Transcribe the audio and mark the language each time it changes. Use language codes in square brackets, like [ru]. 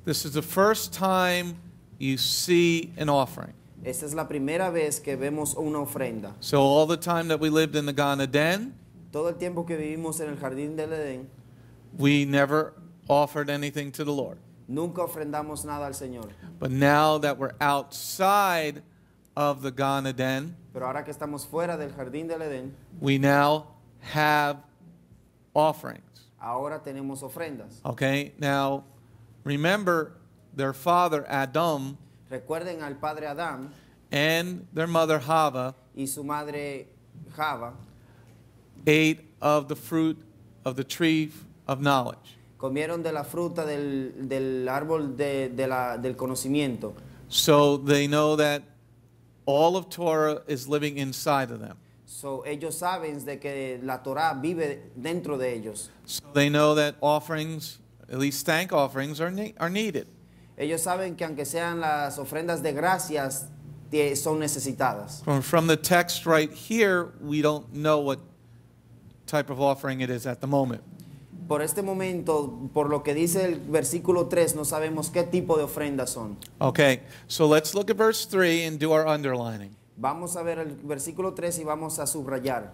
[en] this is the first time you see an offering. [es] Esta es la primera vez que vemos una ofrenda. [en] So all the time that we lived in the Gan Eden, [es] todo el tiempo que vivimos en el jardín del Edén, [en] we never offered anything to the Lord. [es] Nunca ofrendamos nada al Señor. [en] But now that we're outside of the Gan Eden, [es] pero ahora que estamos fuera del jardín del Edén, [en] we now have offerings. [es] Ahora tenemos ofrendas. [en] Okay, now remember their father Adam. [es] Recuerden al padre Adam [en] and their mother Hava. [es] Y su madre Hava [en] ate of the fruit of the tree of knowledge. [es] Comieron de la fruta del árbol del conocimiento. [en] So they know that all of Torah is living inside of them. [es] So ellos saben de que la Torah vive dentro de ellos. [en] So they know that offerings, at least thank offerings, are needed. [es] Ellos saben que aunque sean las ofrendas de gracias, son necesitadas. [en] From the text right here, we don't know what type of offering it is at the moment. [es] Por este momento, por lo que dice el versículo 3, no sabemos qué tipo de ofrendas son. [en] Okay, so let's look at verse 3 and do our underlining. [es] Vamos a ver el versículo 3 y vamos a subrayar.